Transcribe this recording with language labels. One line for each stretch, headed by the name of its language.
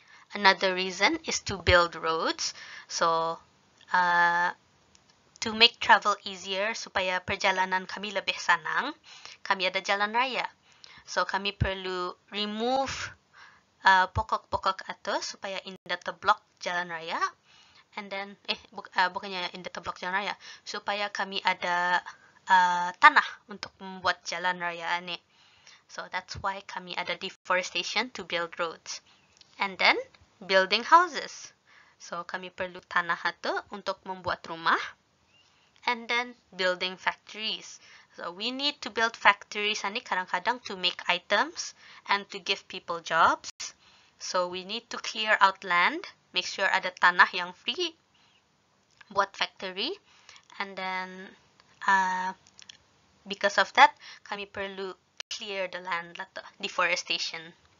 English: Another reason is to build roads, so to make travel easier supaya perjalanan kami lebih senang, kami ada jalan raya.
Malay: So, kami perlu remove pokok-pokok atau supaya indah terblok jalan raya. And then, bukannya indah terblok jalan raya. Supaya kami ada tanah untuk membuat jalan raya ini.
English: So, that's why kami ada deforestation to build roads. And then, building houses.
Malay: So, kami perlu tanah atau untuk membuat rumah.
English: And then, building factories. So, we need to build factories ani kadang-kadang to make items and to give people jobs. So, we need to clear out land, make sure ada tanah yang free, buat factory. And then, because of that, kami perlu clear the land, deforestation.